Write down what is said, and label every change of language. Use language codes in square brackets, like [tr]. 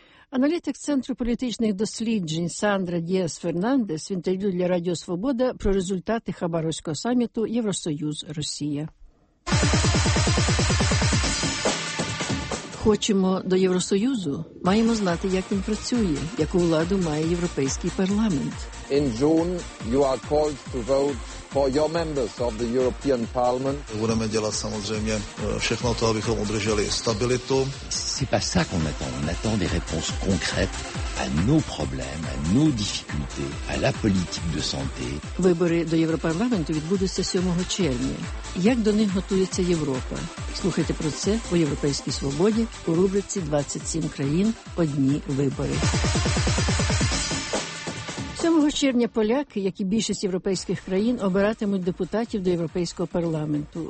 [uk] Аналітик Центру політичних досліджень Сандра Діас-Фернандес в інтерв'ю для Радіо Свобода про результати Хабаровського саміту Євросоюз-Росія. Хочемо до Євросоюзу? Маємо знати, як він працює, яку владу має Європейський парламент. [en] In June you are called to vote for your members of the European Parliament. [cs] Budeme dělat samozřejmě všechno to, abychom udrželi stabilitu. [fr] C'est pas ça qu'on attend. On attend des réponses concrètes à nos problèmes, à nos difficultés, à la politique de santé. [uk] Вибори до Європарламенту відбудуться 7 червня. Як до них готується Європа? Слухайте про це у Європейській свободі у рубриці 27 країн одні вибори. 7 червня поляки, як і більшість європейських країн, обиратимуть депутатів до Європейського парламенту.